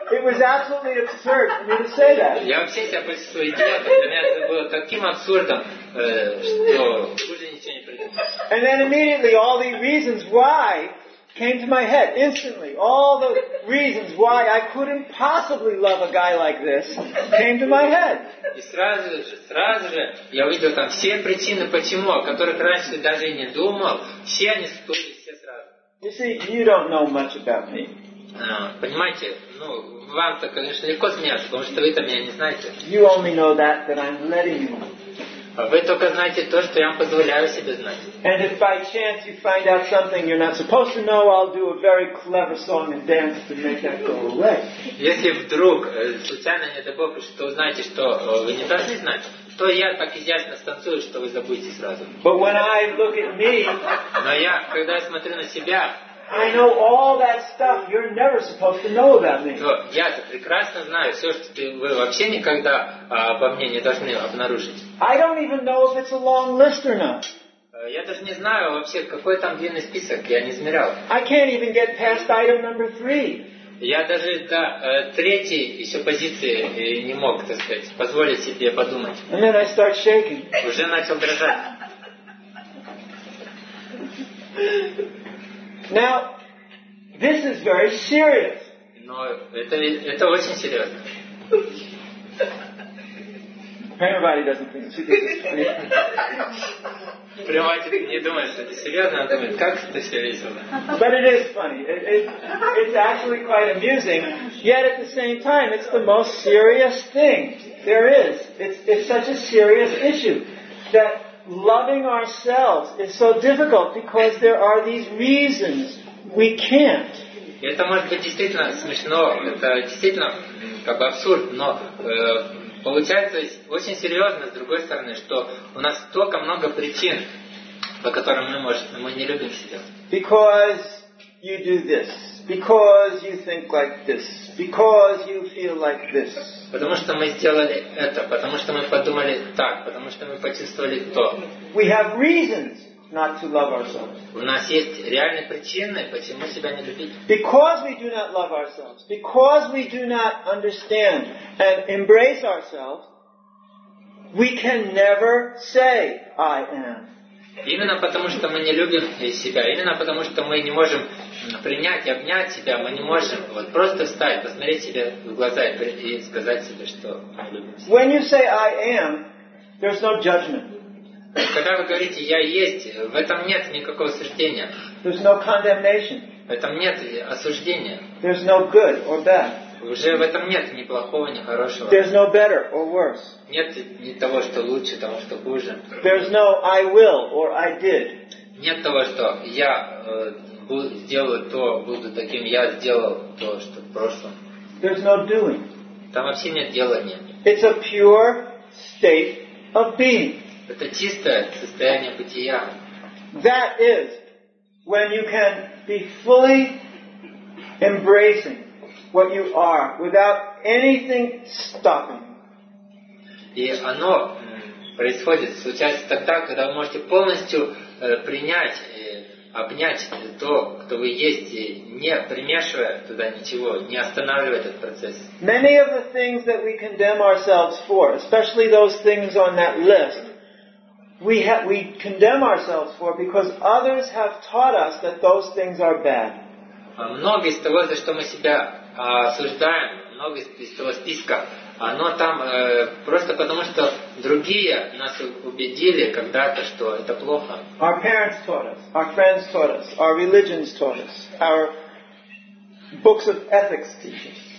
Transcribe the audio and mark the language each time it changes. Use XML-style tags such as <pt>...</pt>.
<en>It was absolutely absurd for me to say that.</en> <ru>Я вообще себя почувствовал идиотом. Для меня это было таким абсурдом, что уже ничего не придумал.</ru> <en>And then immediately all the reasons why came to my head instantly. All the reasons why I couldn't possibly love a guy like this came to my head.</en> <ru>И сразу же я увидел там все причины, почему, о которых раньше даже не думал, все они всплыли все сразу.</ru> <en>You see, you don't know much about me.</en> <ru>Понимаете, ну вам-то, конечно, легко смеяться, потому что вы-то меня не знаете.</ru> <en>You only know that I'm letting you.</en> <ru>Вы только знаете то, что я вам позволяю себе знать.</ru> <en>And if by chance you find out something you're not supposed to know, I'll do a very clever song and dance to make that go away.</en> <ru>Если вдруг случайно не дай бог, что узнаете, что вы не должны знать, то я так изящно станцую, что вы забудете сразу.</ru> <en>But when I look at me,</en> <ru>но я, когда я смотрю на себя,</ru> <en>I know all that stuff you're never supposed to know about me.</en> <ru>Я-то прекрасно знаю все, что вы вообще никогда обо мне не должны обнаружить.</ru> <en>I don't even know if it's a long list or not.</en> <ru>Я даже не знаю вообще, какой там длинный список, я не измерял.</ru> <en>I can't even get past item number three.</en> <ru>Я даже до третьей еще позиции не мог, так сказать, позволить себе подумать.</ru> <en>And then I start shaking.</en> <ru>Уже начал дрожать.</ru> <en>Now, this is very serious.</en> <ru>Но это очень серьезно.</ru> <en>Everybody doesn't think it's serious.</en> <ru>Понимаете, ты не думаешь, что это серьезно, а думаешь, как это серьезно.</ru> <en>But it is funny. It's actually quite amusing. Yet at the same time, it's the most serious thing there is. It's such a serious issue that loving ourselves is so difficult because there are these reasons we can't.</en> <ru>Это может быть действительно смешно, это действительно как бы абсурд, но получается очень серьезно, с другой стороны, что у нас столько много причин, по которым мы не любим себя.</ru> <en>Because you do this. Because you think like this. Because you feel like this.</en> <ru>Потому что мы сделали это, потому что мы подумали так, потому что мы почувствовали то.</ru> <en>We have reasons not to love ourselves.</en> <ru>У нас есть реальные причины, почему себя не любить.</ru> <en>Because we do not love ourselves. Because we do not understand and embrace ourselves. We can never say I am.</en> <ru>Именно потому что мы не любим себя, именно потому что мы не можем принять и обнять себя, мы не можем вот просто встать, посмотреть себе в глаза и сказать себе, что любим.</ru> <en>When you say I am, there's no judgment.</en> <ru>Когда вы говорите я есть, в этом нет никакого осуждения.</ru> <en>There's no condemnation.</en> <ru>В этом нет осуждения.</ru> <en>There's no good or bad.</en> <ru>Уже в этом нет ни плохого, ни хорошего.</ru> <en>There's no better or worse.</en> <ru>Нет ни того, что лучше, того, что хуже.</ru> <en>There's no I will or I did.</en> <ru>Нет того, что я сделаю то, буду таким, я сделал то, что в прошлом.</ru> <en>There's no doing.</en> <ru>Там вообще нет делания.</ru> <en>It's a pure state of being.</en> <ru>Это чистое состояние бытия.</ru> <en>That is when you can be fully embracing what you are, without anything stopping.</en> <ru>И оно происходит, случается тогда, когда вы можете полностью принять, обнять то, кто вы есть, не примешивая туда ничего, не останавливая этот процесс.</ru> <en>Many of the things that we condemn ourselves for, especially those things on that list, we condemn ourselves for because others have taught us that those things are bad.</en> <ru>Многие из того, за что мы себя осуждаем, многие из того списка, оно там просто потому, что другие нас убедили когда-то, что это плохо.</ru> <en>Our parents taught us, our friends taught us, our religions taught us, our books of ethics teach us.</en>